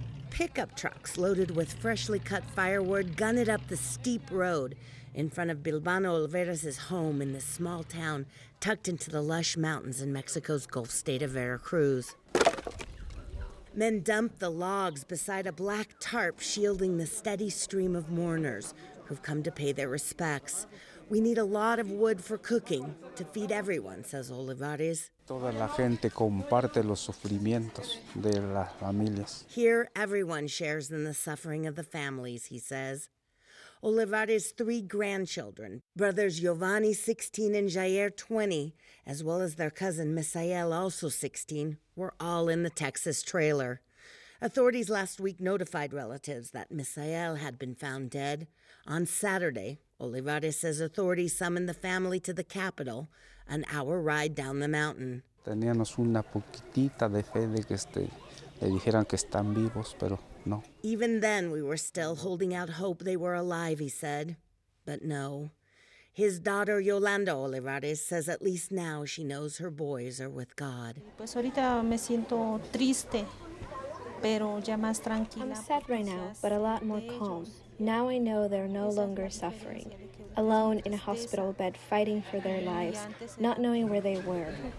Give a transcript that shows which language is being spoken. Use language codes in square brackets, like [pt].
[en] Pickup trucks loaded with freshly cut firewood gunned up the steep road in front of Bilbano Olvera's home in the small town tucked into the lush mountains in Mexico's Gulf state of Veracruz. Men dumped the logs beside a black tarp shielding the steady stream of mourners who've come to pay their respects. We need a lot of wood for cooking to feed everyone, says Olivares. [es] Toda la gente comparte los sufrimientos de las familias. [en] Here, everyone shares in the suffering of the families, he says. Olivares' three grandchildren, brothers Giovanni, 16, and Jair, 20, as well as their cousin Misael, also 16, were all in the Texas trailer. Authorities last week notified relatives that Misael had been found dead. On Saturday, Olivares says authorities summoned the family to the capital, an hour ride down the mountain. [es] Teníamos una poquitita de fe de que le dijeran que están vivos, pero no. [en] Even then, we were still holding out hope they were alive, he said. But no. His daughter, Yolanda Olivares, says at least now she knows her boys are with God. [es] Pues ahorita me siento triste, pero ya más tranquila. [en] I'm sad right now, but a lot more calm. Now I know they're no longer suffering, alone in a hospital bed fighting for their lives, not knowing where they were.